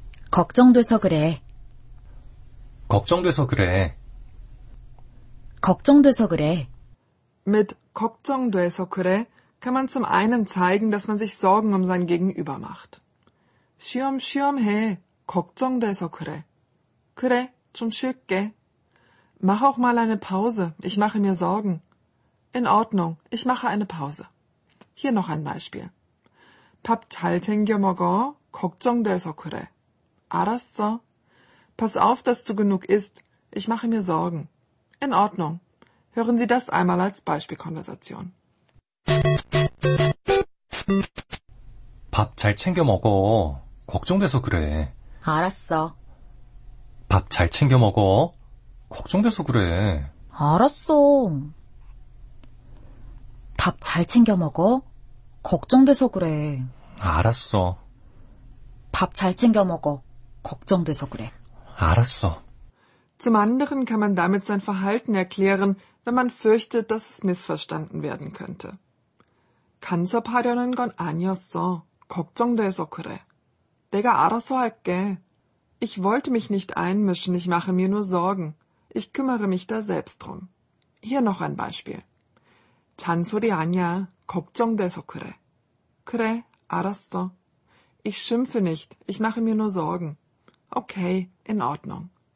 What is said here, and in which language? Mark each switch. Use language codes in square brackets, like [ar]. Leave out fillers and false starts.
[ko] 걱정돼서 그래. 걱정돼서 그래. 걱정돼서 그래. [de] Mit [ko] 걱정돼서 그래 [de] kann man zum einen zeigen, dass man sich Sorgen um sein Gegenüber macht. [ko] 쉬엄쉬엄해, 걱정돼서 그래. 그래, 좀 쉴게. [de] Mach auch mal eine Pause, ich mache mir Sorgen. In Ordnung, ich mache eine Pause. Hier noch ein Beispiel. [ko] 밥 잘 챙겨 먹어, 걱정돼서 그래. 알았어. [de] Pass auf, dass du genug isst, ich mache mir Sorgen. In Ordnung. Hören Sie das einmal als Beispielkonversation. [ko] 밥 잘 챙겨 먹어. 걱정돼서 그래. 알았어. 밥 잘 챙겨 먹어. 걱정돼서 그래. 알았어. 밥 잘 챙겨 먹어. 걱정돼서 그래. 알았어. 밥 잘 챙겨 먹어. 걱정돼서 그래. 알았어. [de] Zum anderen kann man damit sein Verhalten erklären, wenn man fürchtet, dass es missverstanden werden könnte. [ko] 간섭하려는 건 아니었어. 걱정돼서 그래. 내가 알아서 할게. [de] Ich wollte mich nicht einmischen, ich mache mir nur Sorgen. Ich kümmere mich da selbst drum. Hier noch ein Beispiel. [ko] 잔소리 아니야. 걱정돼서 그래. 그래, 알았어. [de] Ich schimpfe nicht, ich mache mir nur Sorgen. Okay, in Ordnung.